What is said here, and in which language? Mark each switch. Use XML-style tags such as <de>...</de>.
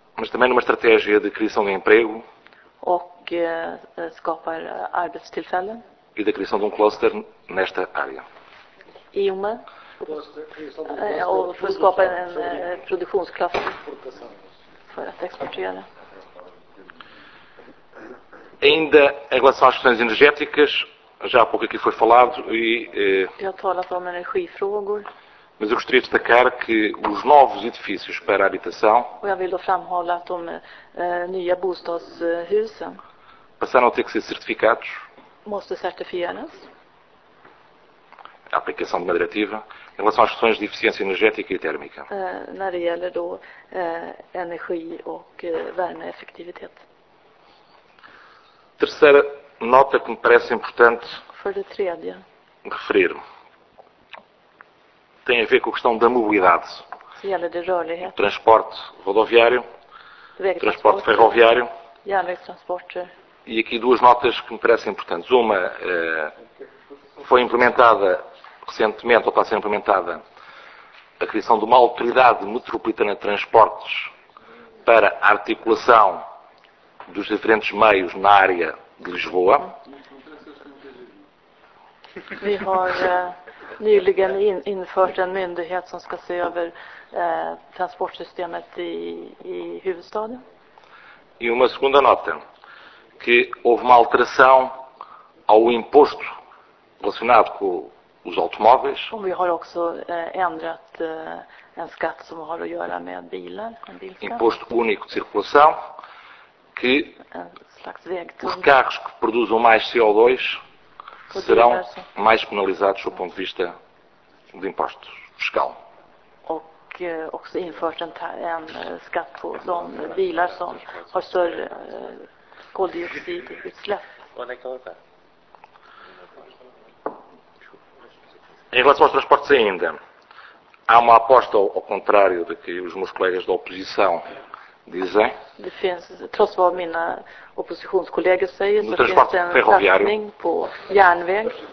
<pt>Mas também numa estratégia de criação de emprego.</pt> <sv>Och skapar arbetstillfällen.</sv> <pt>E da criação de um cluster nesta área. E uma...</pt> <sv>och för att skapa en produktionskluster för att exportera.</sv> <pt>Ainda em relação às questões energéticas, já há pouco aqui foi falado e</pt> <sv>jag har talat om energifrågor.</sv> <pt>Mas eu gostaria de destacar que os novos edifícios para a habitação,</pt> <sv>och jag vill då framhålla att de nya bostadshusen</sv> <pt>passaram a ter que ser certificados.</pt> <sv>Måste certifieras.</sv> <pt>A aplicação de uma diretiva em relação às questões de eficiência energética e térmica.</pt> <sv>När det gäller då energi och värmeeffektivitet.</sv> <pt>Terceira nota que me parece importante.</pt> <sv>För det tredje.</sv> <pt>Referir. Tem a ver com a questão da mobilidade.</pt> <sv>Se gäller det rörlighet.</sv> <pt>Transporte rodoviário. Transporte ferroviário.</pt> <sv>Järnvägstransporter.</sv> <pt>E aqui duas notas que me parecem importantes. Uma foi implementada recentemente, ou está a ser implementada, a criação de uma autoridade metropolitana de transportes para a articulação dos diferentes meios na área de Lisboa.</pt> <sv>Vi har nyligen infört en myndighet som ska se över transportsystemet i huvudstaden.</sv> <pt>E uma segunda nota, que houve uma alteração ao imposto relacionado com os automóveis.</pt> <sv>Och vi har också ändrat en skatt som har att göra med bilar, en bilskatt.</sv> <pt>Imposto único de circulação, que</pt> <sv>en slags vägtull.</sv> <pt>Os carros que produzam mais CO2 serão mais penalizados do ponto de vista do imposto fiscal.</pt> <sv>Och också infört en skatt på de bilar som har större koldioxidutsläpp.</sv> <pt>Em relação aos transportes ainda, há uma aposta ao contrário do que os meus colegas da oposição dizem.</pt> <sv>Det finns, trots vad mina oppositionskollegor säger,</sv> <pt>no transporte ferroviário,</pt> <sv>på järnväg,</sv>